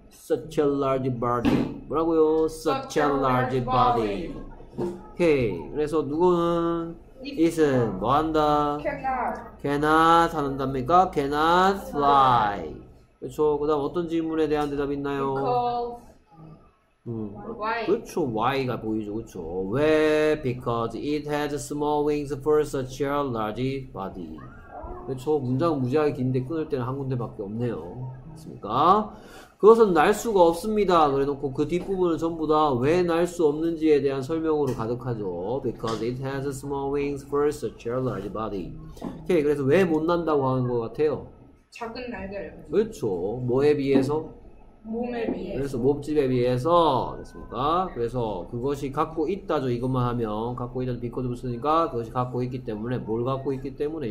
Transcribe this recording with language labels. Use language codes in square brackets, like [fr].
[en] Such a large body. [ko] 뭐라고요? [en] Such a large body. 오케이. [ko] 그래서 누구는? It은 뭐 한다? [en] Cannot [ko] 하는답니까? [en] Cannot fly. [ko] 그렇죠. 그다음 어떤 질문에 대한 대답 있나요? [en] Because. [ko] Why? 그렇죠. Why가 보이죠. 그렇죠. Why? [en] Because it has small wings for such a large body. [ko] 그렇죠. 문장 무지하게 긴데 끊을 때는 한 군데밖에 없네요. 맞습니까? 그것은 날 수가 없습니다. 그래 놓고 그 뒷부분은 전부 다 왜 날 수 없는지에 대한 설명으로 가득하죠. [en] Because it has a small wings versus a large body. [ko] 오케이, 그래서 왜 못 난다고 하는 것 같아요? 작은 날개를. 그렇죠. 뭐에 비해서? 몸에 비해서. 그래서 몸집에 비해서. 됐습니까? 그래서 그것이 갖고 있다죠. 이것만 하면. 갖고 있다죠. 비코드를 쓰니까 그것이 갖고 있기 때문에. 뭘 갖고 있기 때문에.